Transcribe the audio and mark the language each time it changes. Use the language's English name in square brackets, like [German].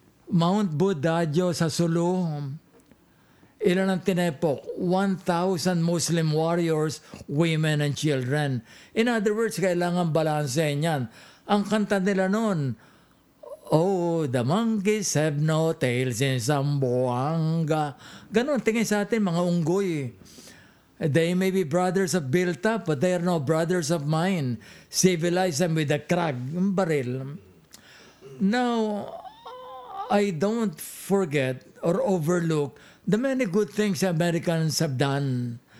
[Filipino] Mount Budadyo sa Sulu, ilan ang tinepok? [English] 1,000 Muslim warriors, women and children. In other words, [Filipino] kailangan balansehin yan. Ang kanta nila noon, [English] oh, the monkeys have no tails in Zamboanga. [Filipino] Ganon, tingin sa atin, mga unggoy. [English] They may be brothers of Bilta, but they are no brothers of mine. Civilize them with a crag, baril. Now, I don't forget or overlook the many good things Americans have done.